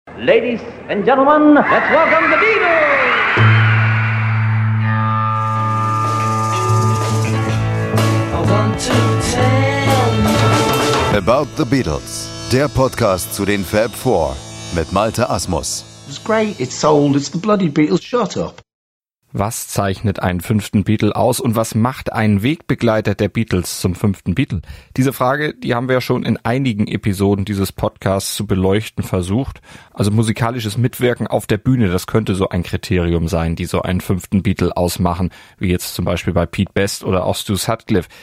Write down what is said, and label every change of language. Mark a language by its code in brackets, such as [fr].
[en] Ladies and Gentlemen, let's welcome the Beatles! [de] About the Beatles, der Podcast zu den Fab Four mit Malte Asmus. [en] It's great, it's sold, it's the bloody Beatles, shut up. [de] Was zeichnet einen fünften Beatle aus und was macht einen Wegbegleiter der Beatles zum fünften Beatle? Diese Frage, die haben wir ja schon in einigen Episoden dieses Podcasts zu beleuchten versucht. Also musikalisches Mitwirken auf der Bühne, das könnte so ein Kriterium sein, die so einen fünften Beatle ausmachen, wie jetzt zum Beispiel bei Pete Best oder auch Stu Sutcliffe.